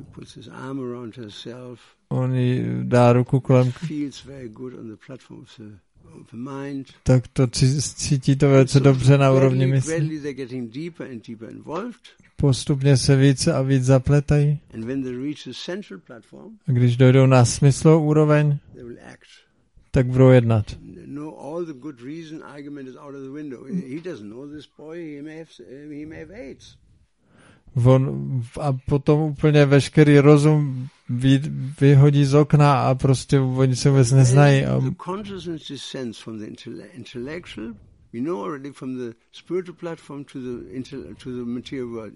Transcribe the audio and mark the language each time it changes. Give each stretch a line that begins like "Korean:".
English: Puts his arm around herself.
Czech: On jí dá ruku kolem.
English: Feels very good on the platform of the mind.
Czech: Tak to cítí to velice dobře na úrovni mysli.
English: Gradually they're getting deeper and deeper involved.
Czech: Postupně se více a víc zapletají.
English: And when they reach the central platform.
Czech: A když dojdou na smyslovou úroveň.
English: They will act.
Czech: Tak budou jednat.
English: No, all the good reason argument is out of the window. He doesn't know this boy. He may have AIDS.
Czech: On, a potom úplně veškerý rozum vyhodí z okna a prostě oni se vůbec neznají.
English: The consciousness descends from the intellectual. We know already from the spiritual platform to the material world.